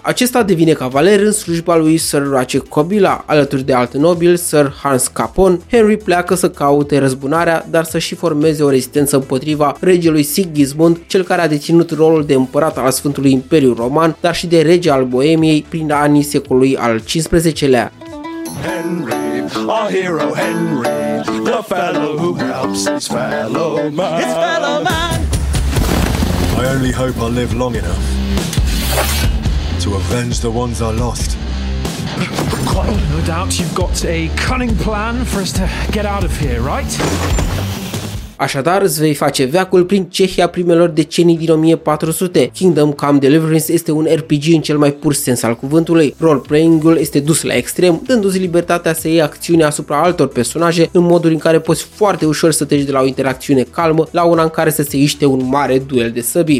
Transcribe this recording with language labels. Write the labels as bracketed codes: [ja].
[ro] Acesta devine cavaler în slujba lui Sir Ratchet Kobila, alături de alt nobil, Sir Hans Capon. Henry pleacă să caute răzbunarea, dar să și formeze o rezistență împotriva regelui Sigismund, cel care a deținut rolul de împărat al Sfântului Imperiu Roman, dar și de rege al Boemiei prin anii secolului al XV-lea. [en] Henry, our hero Henry, the fellow who helps his fellow man. His fellow man. I only hope I live long enough to avenge the ones I lost. No doubt you've got a cunning plan for us to get out of here, right? [ro] Așadar, îți vei face veacul prin Cehia primelor decenii din 1400. Kingdom Come Deliverance este un RPG în cel mai pur sens al cuvântului. Role-playing-ul este dus la extrem, dându-ți libertatea să iei acțiune asupra altor personaje în moduri în care poți foarte ușor să treci de la o interacțiune calmă la una în care să se iște un mare duel de săbii.